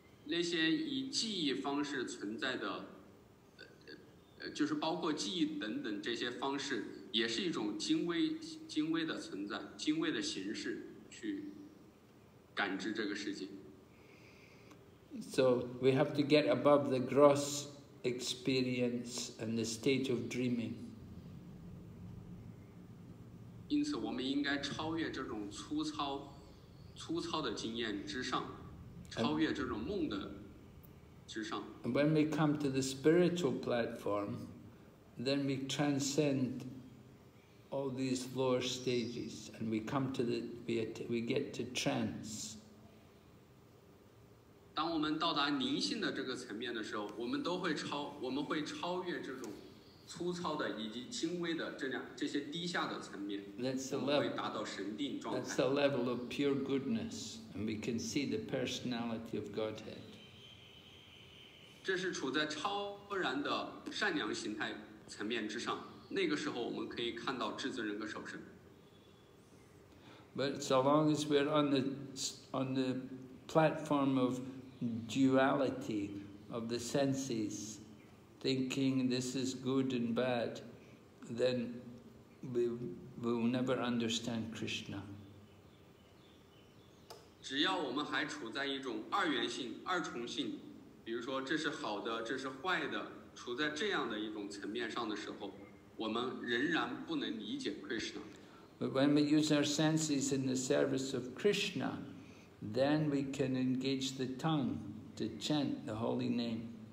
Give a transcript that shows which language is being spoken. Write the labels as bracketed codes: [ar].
[zh] 那些以记忆方式存在的，就是包括记忆等等这些方式，也是一种精微的存在，精微的形式去感知这个世界。 [en] So we have to get above the gross experience and the stage of dreaming. [zh] 因此我们应该超越这种粗糙的经验之上，超越这种梦的之上。 [en] And when we come to the spiritual platform, then we transcend all these lower stages, and we come to we get to trance. [zh] 当我们到达灵性的这个层面的时候，我们会超越这种粗糙的以及轻微的这些低下的层面，会达到神定状态。 [en] That's the level of pure goodness, and we can see the personality of Godhead. [zh] 这是处在超然的善良形态层面之上，那个时候我们可以看到至尊人格守神。 [en] But so long as we're on the platform of duality of the senses. Thinking this is good and bad, then we will never understand Krishna. [zh] 只要我们还处在一种二元性、二重性，比如说这是好的，这是坏的，处在这样的一种层面上的时候，我们仍然不能理解 Krishna. [en] But when we use our senses in the service of Krishna, then we can engage the tongue to chant the holy name.